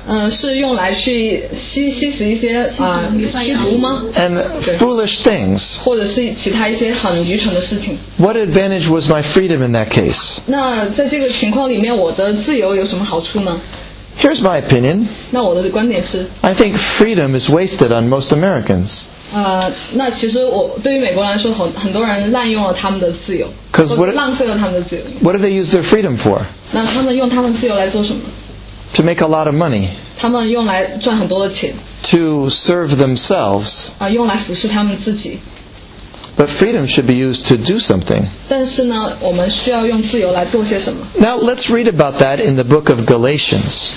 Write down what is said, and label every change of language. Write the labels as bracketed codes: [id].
[zh] 是用来去吸食一些吸毒吗？ [en] And foolish things. [zh] 或者是其他一些很愚蠢的事情。 [en] What advantage was my freedom in that case? [zh] 那在这个情况里面，我的自由有什么好处呢？ [en] Here's my opinion. [zh] 那我的观点是。 [en] I think freedom is wasted on most Americans. [zh] 那其实我对于美国来说，很多人滥用了他们的自由，或者浪费了他们的自由。 [en] What do they use their freedom for? [zh] 那他们用他们自由来做什么？ [en] To make a lot of money. [zh] 他们用来赚很多的钱。 [en] To serve themselves. [zh] 用来服侍他们自己。 [en] But freedom should be used to do something. [zh] 但是呢，我们需要用自由来做些什么。 [en] Now let's read about that in the book of Galatians.